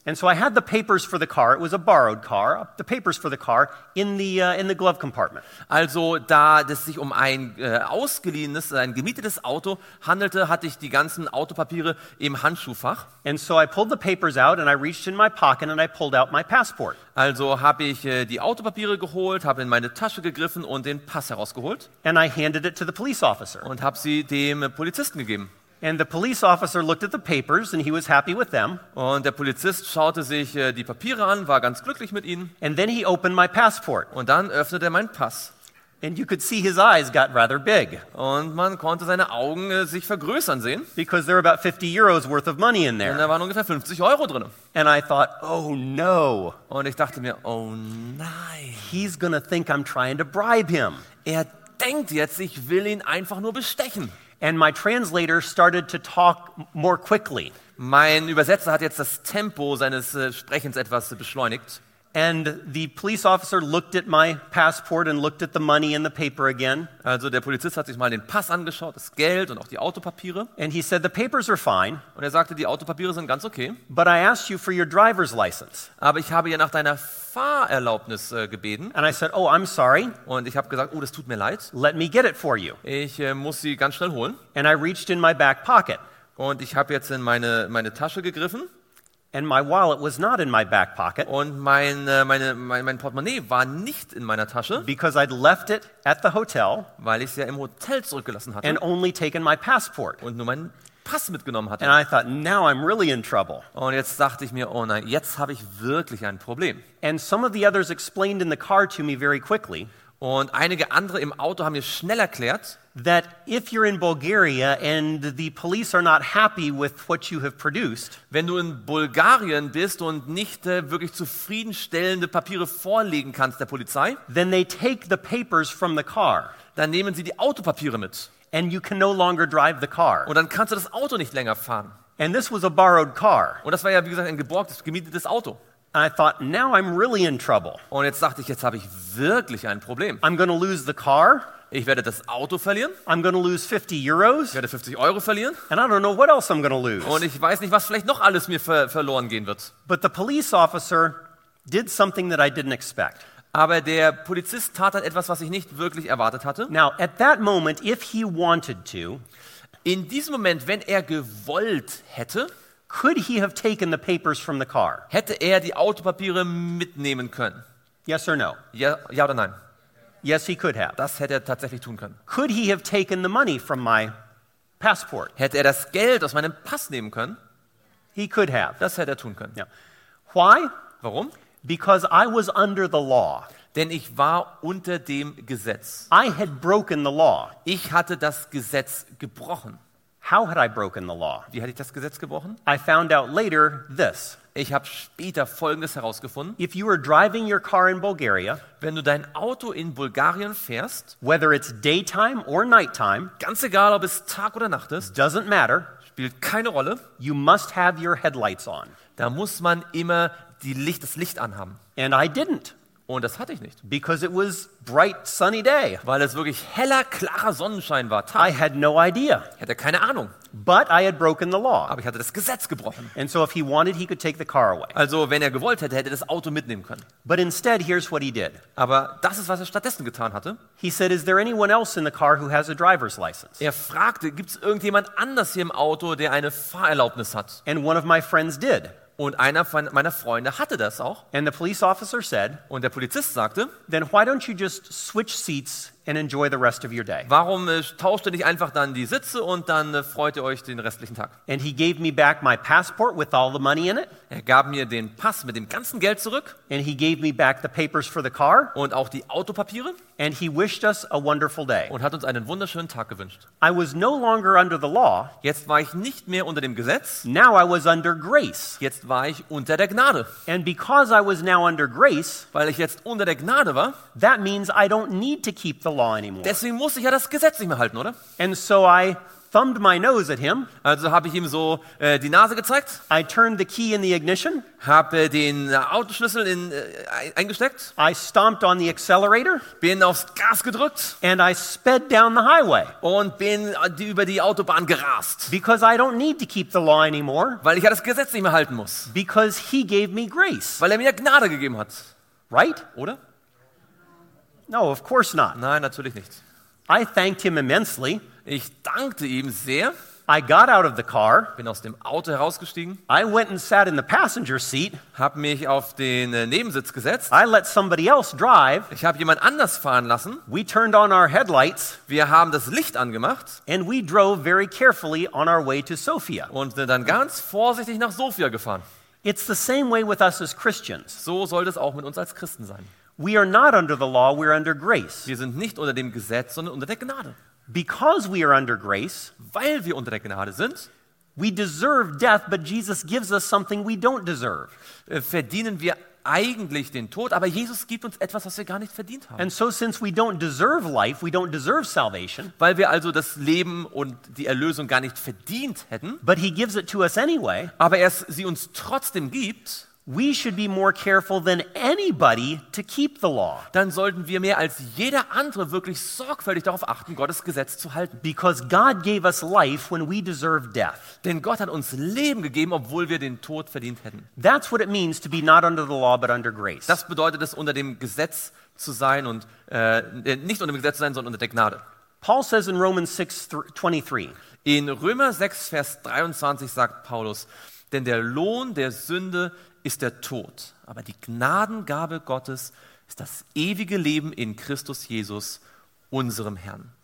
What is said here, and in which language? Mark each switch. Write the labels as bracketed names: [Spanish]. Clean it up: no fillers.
[English] And so I had the papers for the car. It was a borrowed car. The papers for the car in the glove compartment. [German] Also da es sich um ein ausgeliehenes, ein gemietetes Auto handelte, hatte ich die ganzen Autopapiere im Handschuhfach. [English] And so I pulled the papers out and I reached in my pocket and I pulled out my passport. [German] Also habe ich die Autopapiere geholt, habe in meine Tasche gegriffen und den Pass herausgeholt. [English] And I handed it to the police officer. [German] Und habe sie dem Polizisten gegeben. [English] And the police officer looked at the papers and he was happy with them. [German] Und der Polizist schaute sich die Papiere an, war ganz glücklich mit ihnen. [English] And then he opened my passport. [German] Und dann öffnete er meinen Pass. [English] And you could see his eyes got rather big. [German] Und man konnte seine Augen sich vergrößern sehen. [English] Because there were about 50 euros worth of money in there. [German] Und da waren ungefähr 50 Euro drin. [English] And I thought, oh no. [German] Und ich dachte mir, oh nein. [English] He's gonna think I'm trying to bribe him. [German] Er denkt jetzt, ich will ihn einfach nur bestechen. [English] And my translator started to talk more quickly. [German] Mein Übersetzer hat jetzt das Tempo seines Sprechens etwas beschleunigt. [English] And the police officer looked at my passport and looked at the money in the paper again. [German] Also der Polizist hat sich mal den Pass angeschaut, das Geld und auch die Autopapiere. [English] And he said the papers are fine. [German] Und er sagte, die Autopapiere sind ganz okay. [English] But I asked you for your driver's license. [German] Aber ich habe ja nach deiner Fahrerlaubnis gebeten. [English] And I said, oh, I'm sorry. [German] Und ich habe gesagt, oh, das tut mir leid. [English] Let me get it for you. [German] Ich muss sie ganz schnell holen. [English] And I reached in my back pocket. [German] Und ich habe jetzt in meine Tasche gegriffen. [English] And my wallet was not in my back pocket. [German] Und mein Portemonnaie war nicht in meiner Tasche. [English] Because I'd left it at the hotel. [German] Weil ich es ja im Hotel zurückgelassen hatte. [English] And only taken my passport. [German] Und nur meinen Pass mitgenommen hatte. [English] And I thought, now I'm really in trouble. [German] Und jetzt dachte ich mir, oh nein, jetzt habe ich wirklich ein Problem. [English] And some of the others explained in the car to me very quickly. [German] Und einige andere im Auto haben mir schnell erklärt, [English] that if you're in Bulgaria and the police are not happy with what you have produced, [German] wenn du in Bulgarien bist und nicht wirklich zufriedenstellende Papiere vorlegen kannst der Polizei, [English] then they take the papers from the car. [German] Dann nehmen sie die Autopapiere mit. [English] And you can no longer drive the car. [German] Und dann kannst du das Auto nicht länger fahren. [English] And this was a borrowed car. [German] Und das war ja wie gesagt ein geborgtes, gemietetes Auto. [English] I thought, now I'm really in trouble. [German] Und jetzt dachte ich, jetzt habe ich wirklich ein Problem. [English] I'm going to lose the car. [German] Ich werde das Auto verlieren. [English] I'm going to lose 50 euros. [German] Ich werde 50 Euro verlieren. [English] And I don't know what else I'm going to lose. [German] Und ich weiß nicht, was vielleicht noch alles mir verloren gehen wird. [English] But the police officer did something that I didn't expect. [German] Aber der Polizist tat dann etwas, was ich nicht wirklich erwartet hatte. [English] Now, at that moment, if he wanted to, [German] in diesem Moment, wenn er gewollt hätte, [English] could he have taken the papers from the car? [German] Hätte er die Autopapiere mitnehmen können? [English] Yes or no? [German] Ja oder nein? [English] Yes, he could have. [German] Das hätte er tatsächlich tun können. [English] Could he have taken the money from my passport? [German] Hätte er das Geld aus meinem Pass nehmen können? [English] He could have. [German] Das hätte er tun können. [English] Yeah. Why? [German] Warum? [English] Because I was under the law. [German] Denn ich war unter dem Gesetz. [English] I had broken the law. [German] Ich hatte das Gesetz gebrochen. [English] How had I broken the law? [German] Wie hatte ich das Gesetz gebrochen? [English] I found out later this. [German] Ich habe später Folgendes herausgefunden. [English] If you are driving your car in Bulgaria, [German] wenn du dein Auto in Bulgarien fährst, [English] whether it's daytime or nighttime, [German] ganz egal ob es Tag oder Nacht ist, [English] doesn't matter, [German] spielt keine Rolle, [English] you must have your headlights on. [German] Da muss man immer das Licht anhaben. [English] And I didn't. [German] Und das hatte ich nicht. [English] Because it was bright sunny day. [German] Weil es wirklich heller, klarer Sonnenschein war. [English] Tag. I had no idea. [German] Ich hatte keine Ahnung. [English] But I had broken the law. [German] Aber ich hatte das Gesetz gebrochen. [English] And so if he wanted, he could take the car away. [German] Also wenn er gewollt hätte, hätte er das Auto mitnehmen können. [English] But instead, here's what he did. [German] Aber das ist, was er stattdessen getan hatte. [English] He said, is there anyone else in the car who has a driver's license? [German] Er fragte, gibt's irgendjemand anders hier im Auto, der eine Fahrerlaubnis hat? [English] And one of my friends did. [German] Und einer von meiner Freunde hatte das auch. [English] And the police officer said, [German] und der Polizist sagte, [English] then why don't you just switch seats and enjoy the rest of your day? [German] Warum tauscht ihr nicht einfach dann die Sitze und dann freut ihr euch den restlichen Tag? [English] And he gave me back my passport with all the money in it. [German] Er gab mir den Pass mit dem ganzen Geld zurück. [English] And he gave me back the papers for the car. [German] Und auch die Autopapiere. [English] And he wished us a wonderful day. [German] Und hat uns einen wunderschönen Tag gewünscht. [English] I was no longer under the law. [German] Jetzt war ich nicht mehr unter dem Gesetz. [English] Now I was under grace. [German] Jetzt war ich unter der Gnade. [English] And because I was now under grace, [German] weil ich jetzt unter der Gnade war, [English] that means I don't need to keep the law anymore. [German] Deswegen muss ich ja das Gesetz nicht mehr halten, oder? [English] And so I thumbed my nose at him. [German] Also habe ich ihm so die Nase gezeigt. [English] I turned the key in the ignition. [German] Habe den Autoschlüssel in eingesteckt. [English] I stomped on the accelerator. [German] Bin aufs Gas gedrückt. [English] And I sped down the highway. [German] Und bin über die Autobahn gerast. [English] Because I don't need to keep the law anymore. [German] Weil ich ja das Gesetz nicht mehr halten muss. [English] Because he gave me grace. [German] Weil mir Gnade gegeben hat. [English] Right? [German] Oder? [English] No, of course not. [German] Nein, natürlich nicht. [English] I thanked him immensely. [German] Ich dankte ihm sehr. [English] I got out of the car. [German] Bin aus dem Auto herausgestiegen. [English] I went and sat in the passenger seat. [German] Hab mich auf den Nebensitz gesetzt. [English] I let somebody else drive. [German] Ich habe jemand anders fahren lassen. [English] We turned on our headlights. [German] Wir haben das Licht angemacht. [English] And we drove very carefully on our way to Sofia. [German] Und sind dann ganz vorsichtig nach Sofia gefahren. [English] It's the same way with us as Christians. [German] So soll es auch mit uns als Christen sein. [English] We are not under the law, we are under grace. [German] Wir sind nicht unter dem Gesetz, sondern unter der Gnade. [English] Because we are under grace, [German] weil wir unter der Gnade sind, [English] we deserve death, but Jesus gives us something we don't deserve. [German] Verdienen wir eigentlich den Tod, aber Jesus gibt uns etwas, was wir gar nicht verdient haben. [English] And so since we don't deserve life, we don't deserve salvation. [German] Weil wir also das Leben und die Erlösung gar nicht verdient hätten, [English] but he gives it to us anyway. [German] Aber er sie uns trotzdem gibt. [English] We should be more careful than anybody to keep the law. [German] Dann sollten wir mehr als jeder andere wirklich sorgfältig darauf achten, Gottes Gesetz zu halten. [English] Because God gave us life when we deserved death. [German] Denn Gott hat uns Leben gegeben, obwohl wir den Tod verdient hätten. [English] That's what it means to be not under the law but under grace. [German] Das bedeutet es, unter dem Gesetz zu sein und nicht unter dem Gesetz zu sein, sondern unter der Gnade. [English] Paul says in Romans 6:23. [German] In Römer 6 Vers 23 sagt Paulus, denn der Lohn der Sünde ist der Tod, aber die Gnadengabe Gottes ist das ewige Leben in Christus Jesus, unserem Herrn.